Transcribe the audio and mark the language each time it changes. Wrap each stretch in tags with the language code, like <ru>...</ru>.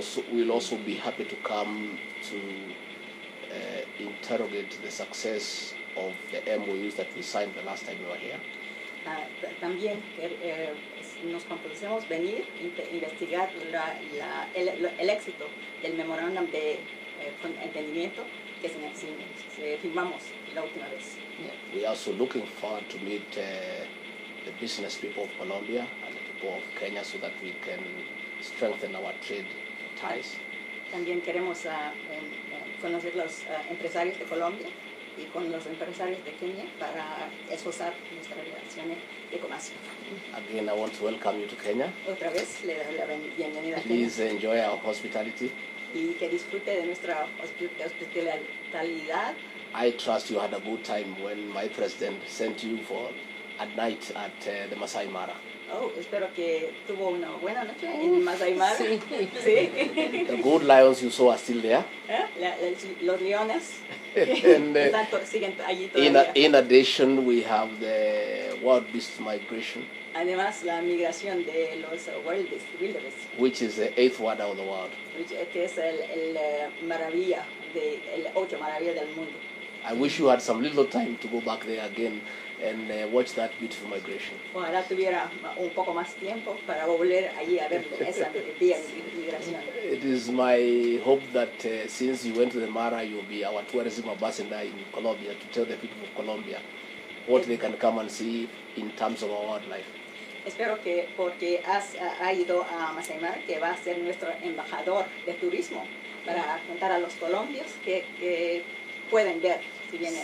<en>We'll also be happy to come to interrogate the success of the MOUs that we signed the last time we were here.</en> <es>También nos comprometemos venir a investigar el éxito del memorándum de entendimiento que firmamos. Yeah.</es> <en>We are also looking forward to meet the business people of Colombia and the people of Kenya so that we can strengthen our trade ties.</en> <es>También queremos conocer los empresarios de Colombia y con los empresarios de Kenya para esforzar nuestras relaciones de comercio.</es> <en>Again, I want to welcome you to Kenya.</en> <es>Otra vez, le doy la bienvenida.</es> <en>Please enjoy our hospitality.</en> <es>Y que disfrute de nuestra hospitalidad.</es> <en>I trust you had a good time when my president sent you for a night at the Masai Mara.</en> <es>Oh, espero que tuvo una buena noche en Masai Mara. Sí. Sí.</es> <en>The good lions you saw are still there.</en> <es>Los leones siguen allí todavía.</es> <en>In addition, we have the wild beast migration.</en> <es>Además, la migración de los wildebeest.</es> <en>Which is the eighth wonder of the world.</en> <es>Que es el ocho maravilla del mundo.</es> <en>I wish you had some little time to go back there again and watch that beautiful migration.</en> <es>Ojalá tuviera un poco más tiempo para volver allí a ver esa migración.</es> <en>It is my hope that since you went to the Mara, you'll be our tourism ambassador in Colombia to tell the people of Colombia what they can come and see in terms of our wildlife.</en> <es>Espero que porque has ido a Masai Mara, que va a ser nuestro embajador de turismo para contar a los colombianos que pueden ver si vienen.</es>